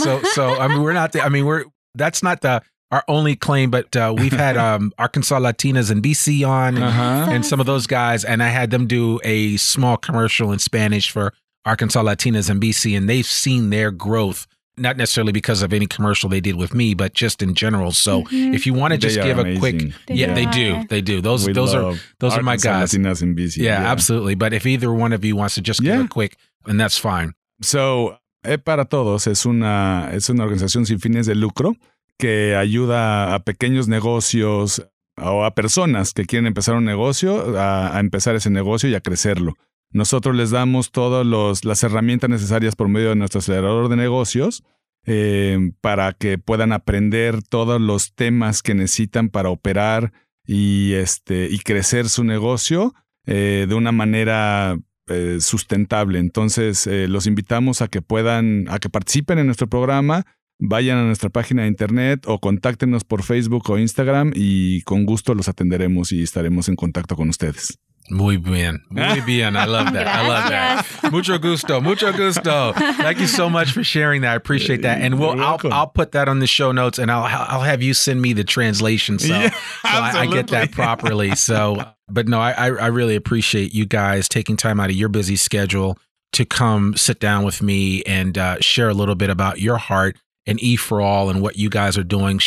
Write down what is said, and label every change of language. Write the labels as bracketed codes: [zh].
[en] So yeah, so I mean that's not the our only claim, but we've had Arkansas Latinas and BC on and some of those guys, and I had them do a small commercial in Spanish for Arkansas Latinas and BC, and they've seen their growth. Not necessarily because of any commercial they did with me, but just in general. So if you want to just give amazing. A quick, they do. Those are my guys. Latinas and BC. Yeah, absolutely. But if either one of you wants to just give a quick, then that's fine. [es] So, E para Todos es una organización sin fines de lucro que ayuda a pequeños negocios o a personas que quieren empezar un negocio a empezar ese negocio y a crecerlo. Nosotros les damos todas las herramientas necesarias por medio de nuestro acelerador de negocios para que puedan aprender todos los temas que necesitan para operar y crecer su negocio de una manera sustentable. Entonces, los invitamos a que participen en nuestro programa, vayan a nuestra página de internet o contáctenos por Facebook o Instagram y con gusto los atenderemos y estaremos en contacto con ustedes. Muy bien. Muy bien. [en] I love that. [es] Gracias. [en] I love that. [es] Mucho gusto. Mucho gusto. [en] Thank you so much for sharing that. I appreciate that. And I'll put that on the show notes and I'll have you send me the translation so I get that properly. So, but no, I really appreciate you guys taking time out of your busy schedule to come sit down with me and share a little bit about your heart and E for All and what you guys are doing.